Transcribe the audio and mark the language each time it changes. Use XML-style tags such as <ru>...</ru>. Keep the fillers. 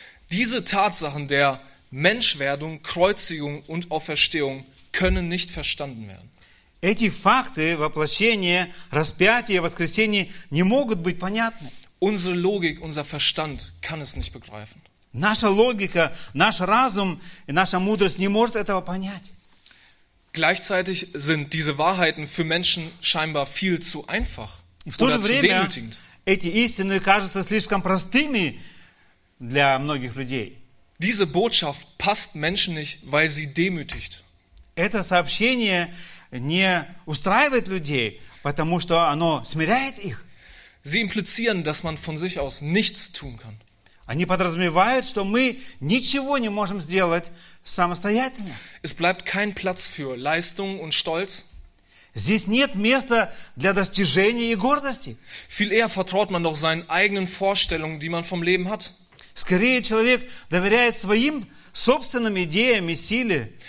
<de>Diese Tatsachen der Menschwerdung, Kreuzigung und Auferstehung können nicht verstanden werden.</de> <ru>Эти факты воплощения, распятия, воскресения не могут быть понятны.</ru> <de>Unsere Logik, unser Verstand kann es nicht begreifen.</de> <ru>Наша логика, наш разум и наша мудрость не может этого понять.</ru> <de>Gleichzeitig sind diese Wahrheiten für Menschen scheinbar viel zu einfach Und oder zu demütigend.</de> <ru>Эти истины кажутся слишком простыми для многих людей.</ru> <de>Diese Botschaft passt Menschen nicht, weil sie demütigt.</de> <ru>Это сообщение не устраивает людей, потому что оно смиряет их.</ru> <de>Sie implizieren, dass man von sich aus nichts tun kann.</de> <ru>Они подразумевают, что мы ничего не можем сделать самостоятельно.</ru> <de>Es bleibt kein Platz für Leistung und Stolz.</de> <ru>Здесь нет места для достижения и гордости.</ru> <de>Viel eher vertraut man doch seinen eigenen Vorstellungen, die man vom Leben hat.</de> <ru>Скорее человек доверяет своим собственным идеям и силе.</ru>